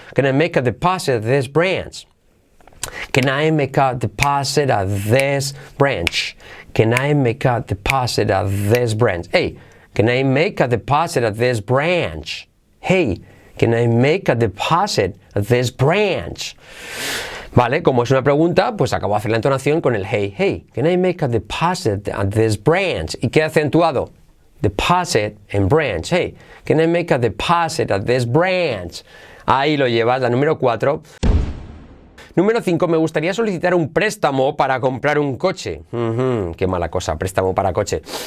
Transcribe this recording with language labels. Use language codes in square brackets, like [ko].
[en] Can I make a deposit at this branch? Can I make a deposit at this branch? Can I make a deposit at this branch? Hey, can I make a deposit at this branch? Hey, can I make a deposit at this branch? [es] Vale, como es una pregunta, pues acabo de hacer la entonación con el hey. [en] Hey, can I make a deposit at this branch? [es] ¿Y qué he acentuado? [en] Deposit and branch. Hey, can I make a deposit at this branch? [es] Ahí lo llevas, la número 4. Número 5, me gustaría solicitar un préstamo para comprar un coche. Qué mala cosa, préstamo para coche.